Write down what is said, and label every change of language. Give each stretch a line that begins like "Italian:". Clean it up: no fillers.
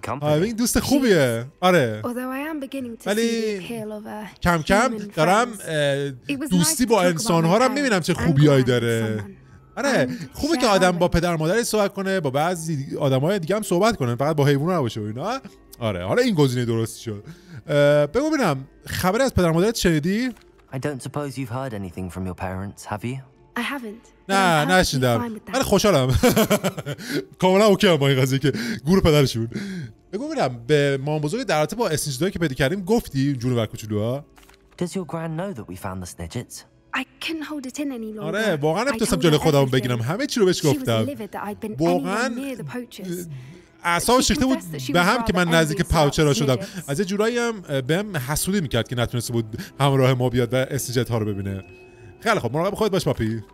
Persian: هایوینگ دوست خوبیه. آره ولی کم کم دارم دوستی با انسان‌ها رو میبینم چه خوبیایی داره. آره خوبه که آدم با پدر مادر صحبت کنه با بعضی آدمای دیگه هم صحبت کنه فقط با حیوان نباشه و اینا. آره حالا این گزینه درست شد. بگو ببینم خبری از پدر مادرت شنیدی؟
English: I don't suppose you've heard anything from your parents, have you? I haven't.
Persian: نه نشیدم. من خوشحالم. کاملا اوکی هم با این قضیه که گور پدرشون. بگو ببینم به مامان بزرگ در رابطه با اسنیجدایی که پیدا کردیم گفتی جونور کوچولوها؟
English: Does your grand know that we found the snidgets? I can hold it in any longer.
Persian: آره واقعا نمیتونستم جلوی خودم بگیرم. همه چی رو بهش گفتم. واقعا اعصابش شکته بود به هم که من نزدیک پاوچرها شدم. از یه جورایی هم بهم حسودی میکرد که نتونسته بود همراه ما بیاد و اسنیجت ها رو ببینه. خیلی خوب مراقب خودت باش پاپی.